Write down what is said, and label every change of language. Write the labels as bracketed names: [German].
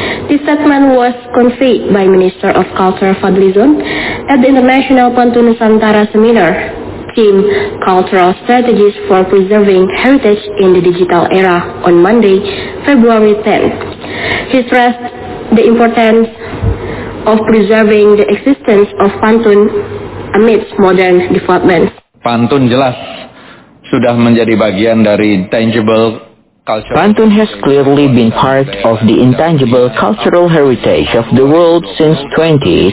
[English] This statement was conveyed by Minister of Culture Fadlizon at the International Pantun Nusantara Seminar, theme Cultural Strategies for Preserving Heritage in the Digital Era on Monday, February 10. He stressed the importance of preserving the existence of pantun amidst modern developments. [Indonesian] Pantun jelas sudah menjadi bagian dari tangible culture. [English] Pantun has clearly been part of the intangible cultural heritage of the world since 2020.